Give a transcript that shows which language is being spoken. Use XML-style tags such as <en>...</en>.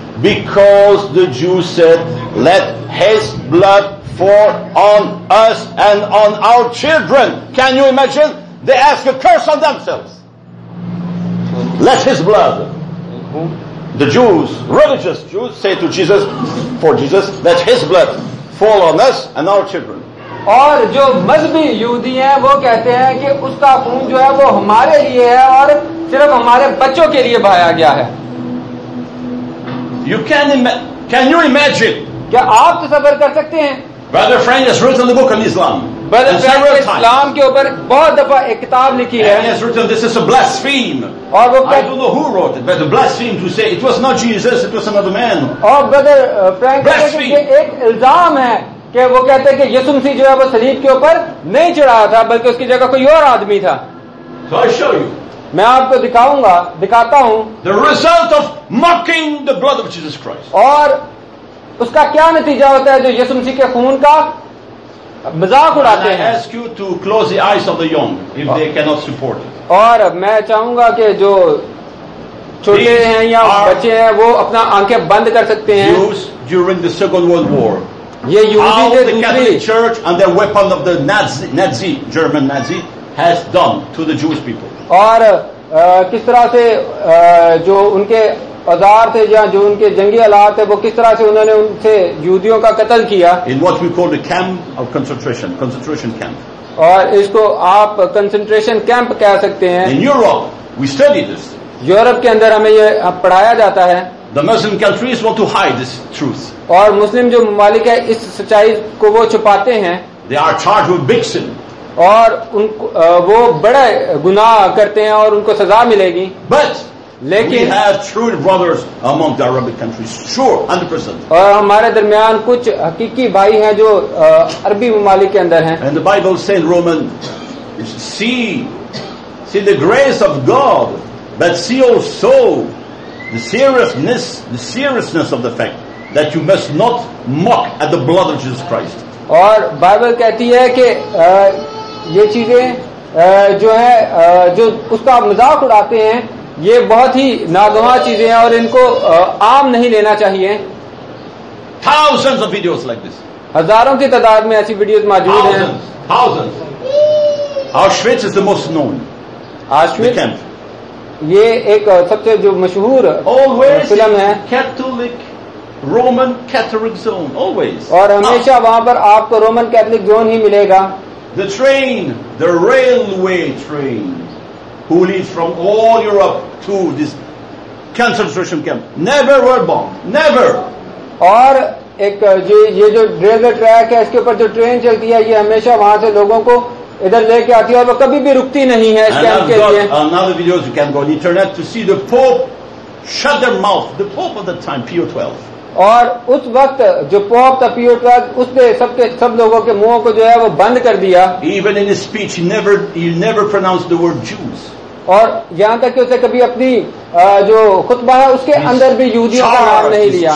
<en>Because the Jews said, let his blood fall on us and on our children. Can you imagine? They ask a curse on themselves. Let his blood. The Jews, religious Jews, say to Jesus, for Jesus, let his blood fall on us and our children.</en> <hi>और जो मजहबी यहूदी हैं वो कहते हैं कि उसका खून जो है वो हमारे लिए है और सिर्फ हमारे बच्चों के लिए बहाया गया है</hi> <en>you can you imagine</en> <hi>क्या आप तसव्वुर कर सकते हैं</hi> <en>Brother Frank has written the book on Islam. Brother Frank has</en> <hi>Islam के ऊपर बहुत दफा एक किताब लिखी है.</hi> <en>And he has written this is a blaspheme.</en> <hi>और वो</hi> <en>I don't know who wrote it, but the blaspheme to say it was not Jesus, it was another man.</en> <hi>और Brother Frank कहते हैं कि एक इल्जाम है कि वो कहते हैं कि यीशु मसीह जो है वो सलीब के ऊपर नहीं चढ़ाया था बल्कि उसकी जगह कोई और आदमी था</hi> <en>So I show you.</en> <hi>मैं आपको दिखाता हूँ</hi> <en>The result of mocking the blood of Jesus Christ.</en> <hi>और उसका क्या नतीजा होता है जो यीशु मसीह के खून का मजाक उड़ाते हैं</hi> <en>I ask you to close the eyes of the young if they cannot support it.</en> <hi>और मैं चाहूंगा कि जो छोटे हैं या बच्चे हैं वो अपना आंखें बंद कर सकते हैं</hi> <en>Jews during the Second World War.</en> <hi>ये university</hi> <en>Church and the weapon of the Nazi German Nazi has done to the Jewish people.</en> <hi>और किस तरह से जो उनके औजार थे या जो उनके जंगी आलात थे वो किस तरह से उन्होंने उनसे यहूदियों का कत्ल किया.</hi> <en>In what we call the camp of concentration, concentration camp.</en> <hi>और इसको आप कंसंट्रेशन कैंप कह सकते हैं.</hi> <en>In Europe, we study this.</en> <hi>Europe के अंदर हमें ये पढ़ाया जाता है.</hi> <en>The Muslim countries want to hide this truth.</en> <hi>और मुस्लिम जो ममालिक है इस सच्चाई को वो छुपाते हैं.</hi> <en>They are charged with big sin.</en> <hi>और उनको वो बड़े गुनाह करते हैं और उनको सजा मिलेगी.</hi> <en>But</en> <hi>लेकिन</hi> <en>we have true brothers among the Arabic countries, sure, 100%.</en> <hi>और हमारे दरमियान कुछ हकीकी भाई हैं जो अरबी ममालिक के अंदर हैं.</hi> <en>And the Bible says in Romans, see the grace of God, but see also the seriousness of the fact that you must not mock at the blood of Jesus Christ.</en> <hi>और बाइबल कहती है कि ये चीजें जो है जो उसका मजाक उड़ाते हैं ये बहुत ही नागवार चीजें हैं और इनको आम नहीं लेना चाहिए.</hi> <en>Thousands of videos like this.</en> <hi>हजारों की तादाद में ऐसी वीडियोस मौजूद हैं.</hi> <en>Thousands. Auschwitz is the most known. Auschwitz. The camp.</en> <hi>ये एक सबसे जो मशहूर फिल्म है.</hi> <en>Catholic Roman Catholic zone. Always.</en> <hi>और हमेशा वहां पर आपको रोमन कैथोलिक जोन ही मिलेगा.</hi> <en>The train, the railway train. Who leads from all Europe to this concentration camp? Never were bombed. Never.</en> <hi>और एक ये जो रेलवे ट्रैक है इसके ऊपर जो ट्रेन चलती है ये हमेशा वहां से लोगों को इधर लेके आती है और वो कभी भी रुकती नहीं है इस कैंप के लिए.</hi> <en>Another video you can go on the internet to see the Pope shut their mouth. The Pope of the time, Pio XII.</en> <hi>और उस वक्त जो पोप था पियो XII उसने सबके सब लोगों के मुंह को जो है वो बंद कर दिया.</hi> <en>Even in speech he never pronounced the word Jews.</en> <hi>और यहां तक कि उसने कभी अपनी जो खुतबा है उसके अंदर भी यहूदियों का नाम नहीं लिया.</hi>